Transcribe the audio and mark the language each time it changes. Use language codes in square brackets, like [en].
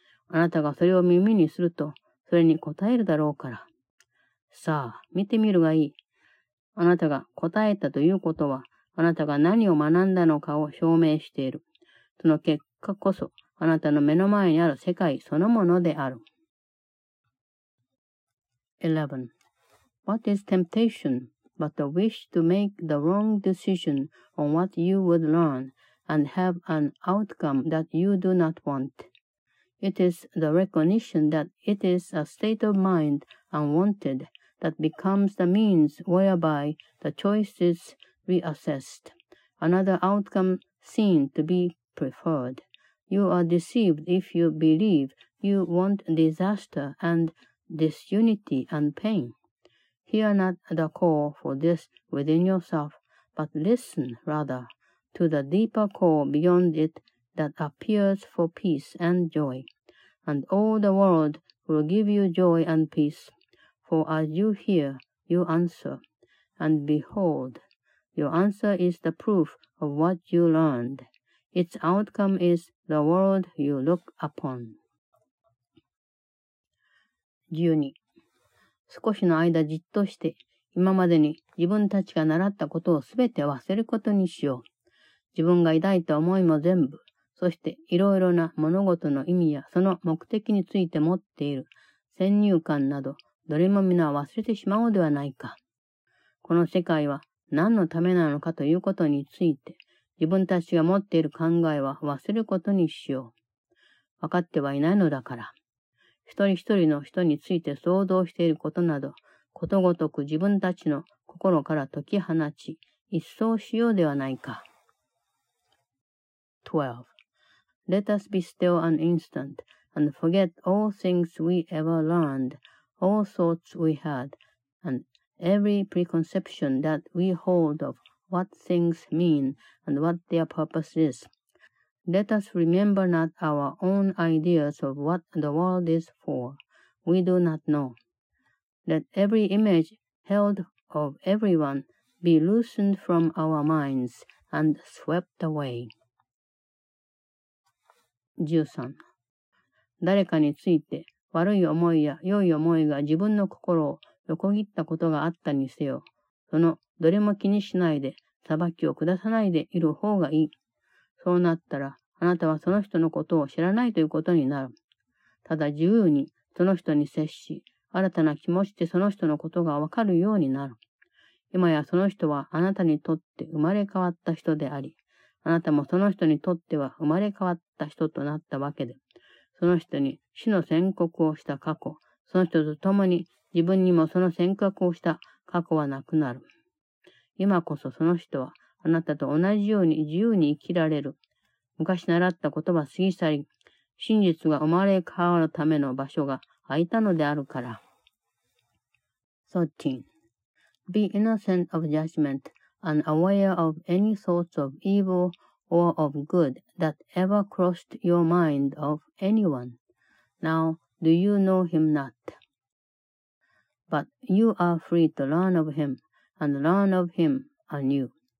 [ja] あなたがそれを耳にすると、それに答えるだろうから。さあ、見てみるがいい。あなたが答えたということは、あなたが何を学んだのかを証明している。その結果こそ、あなたの目の前にある世界そのものである。 [en] 11. What is temptation but the wish to make the wrong decision on what you would learn and have an outcome that you do not want? It is the recognition that it is a state of mind unwanted that becomes the means whereby the choice is reassessed, another outcome seen to be preferred. You are deceived if you believe you want disaster and disunity and pain. Hear not the call for this within yourself, but listen rather to the deeper call beyond it that appears for peace and joy. And all the world will give you joy and peace. For as you hear, you answer. And behold, your answer is the proof of what you learned. Its outcome is the world you look upon. [ja] 12. 少しの間じっとして、今までに自分たちが習ったことをすべて忘れることにしよう。自分が抱いた思いも全部、そしていろいろな物事の意味やその目的について持っている先入観など、どれも皆忘れてしまうではないか。この世界は何のためなのかということについて、自分たちが持っている考えは忘れることにしよう。分かってはいないのだから。一人一人の人について想像していることなど、ことごとく自分たちの心から解き放ち、一掃しようではないか。 [en] 12. Let us be still an instant and forget all things we ever learned, all thoughts we had, and every preconception that we hold of what things mean and what their purpose is. Let us remember not our own ideas of what the world is for. We do not know. Let every image held of everyone be loosened from our minds and swept away. [ja] 13. 誰かについて悪い思いや良い思いが自分の心を横切ったことがあったにせよ、そのどれも気にしないで裁きを下さないでいる方がいい。そうなったら、あなたはその人のことを知らないということになる。ただ自由にその人に接し、新たな気持ちでその人のことがわかるようになる。今やその人はあなたにとって生まれ変わった人であり、あなたもその人にとっては生まれ変わった人となったわけで、その人に死の宣告をした過去、その人と共に自分にもその宣告をした過去はなくなる。今こそその人はあなたと同じように自由に生きられる。昔習ったことは過ぎ去り、真実が生まれ変わるための場所が空いたのであるから。 [en] 13. Be innocent of judgment and aware of any thoughts of evil or of good that ever crossed your mind of anyone. Now, do you know him not? But you are free to learn of him and learn of him anew.